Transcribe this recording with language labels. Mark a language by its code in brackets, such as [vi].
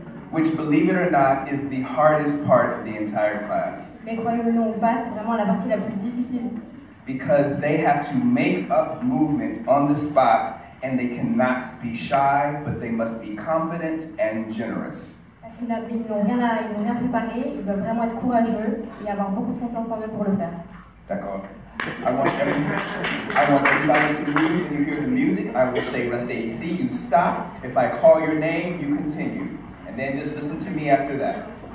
[en] Which, believe it or not, is the hardest part of the entire class. [fr] Mais croyez-le ou pas, c'est vraiment la partie la plus difficile. [en] Because they have to make up movement on the spot, and they cannot be shy, but they must be confident and generous. [fr] Parce qu'ils n'ont rien préparé, ils doivent vraiment être courageux et avoir beaucoup de confiance en eux pour le faire. [en] D'accord. I want everybody to move. When you hear the music, I will say [fr] Reste ici, [en] you stop. If I call your name, you continue. And then just listen to me after that.